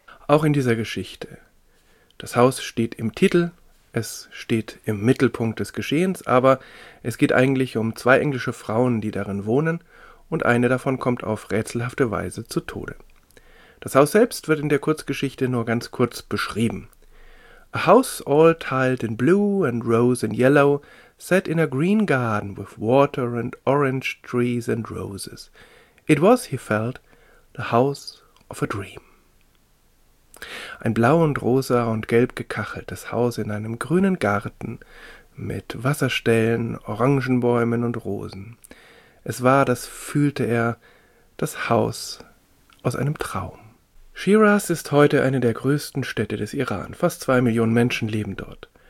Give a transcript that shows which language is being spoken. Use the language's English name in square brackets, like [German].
[German] Auch in dieser Geschichte. Das Haus steht im Titel, es steht im Mittelpunkt des Geschehens, aber es geht eigentlich um 2 englische Frauen, die darin wohnen und eine davon kommt auf rätselhafte Weise zu Tode. Das Haus selbst wird in der Kurzgeschichte nur ganz kurz beschrieben. [English] A house all tiled in blue and rose and yellow, set in a green garden with water and orange trees and roses. It was, he felt, the house of a dream. [German] Ein blau und rosa und gelb gekacheltes Haus in einem grünen Garten mit Wasserstellen, Orangenbäumen und Rosen. Es war, das fühlte er, das Haus aus einem Traum. Shiraz ist heute eine der größten Städte des Iran. Fast 2 Millionen Menschen leben dort.